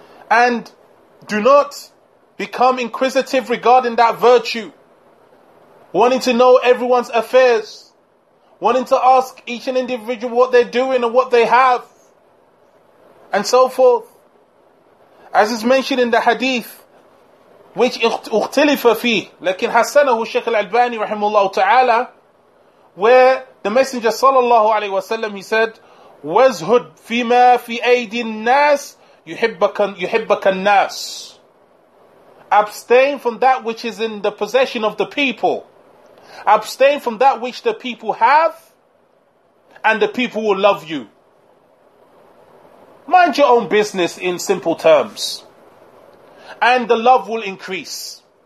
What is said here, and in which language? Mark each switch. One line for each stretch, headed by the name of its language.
English: And do not become inquisitive regarding that virtue, wanting to know everyone's affairs, wanting to ask each and individual what they're doing and what they have, and so forth. As is mentioned in the hadith, which
Arabic: اختلفَ فيه لكن حسنه الشيخ الألباني رحمه الله تعالى,
English: where the Messenger sallallahu alaihi wasallam, he said,
Arabic: وَزْهُدْ فِيمَا فِي أَيْدِ النَّاسِ يُحِبَّكَ النَّاسِ.
English: Abstain from that which is in the possession of the people. Abstain from that which the people have, and the people will love you. Mind your own business in simple terms, and the love will increase.